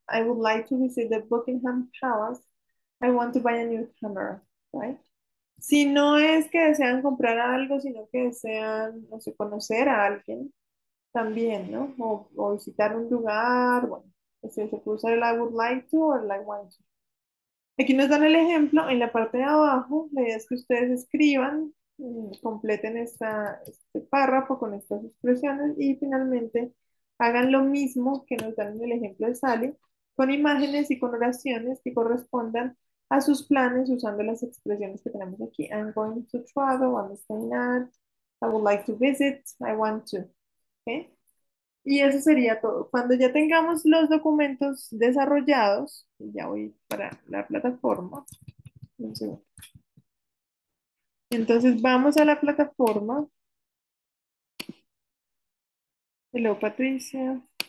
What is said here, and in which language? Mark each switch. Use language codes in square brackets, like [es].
[en] I would like to visit the Buckingham Palace. I want to buy a new camera, right? [es] Si no es que desean comprar algo, sino que desean, no sé, conocer a alguien también, ¿no? O visitar un lugar, bueno, o sea, se puede usar el I would like to o el I want to. Aquí nos dan el ejemplo en la parte de abajo. La idea es que ustedes escriban, completen este párrafo con estas expresiones y finalmente hagan lo mismo que nos dan en el ejemplo de Sally con imágenes y con oraciones que correspondan a sus planes usando las expresiones que tenemos aquí. [en] I'm going to travel, I'm staying at, I would like to visit, I want to. [es] ¿Okay? Y eso sería todo. Cuando ya tengamos los documentos desarrollados, ya voy para la plataforma. Un segundo. Entonces vamos a la plataforma. [en] Hello, Patricia.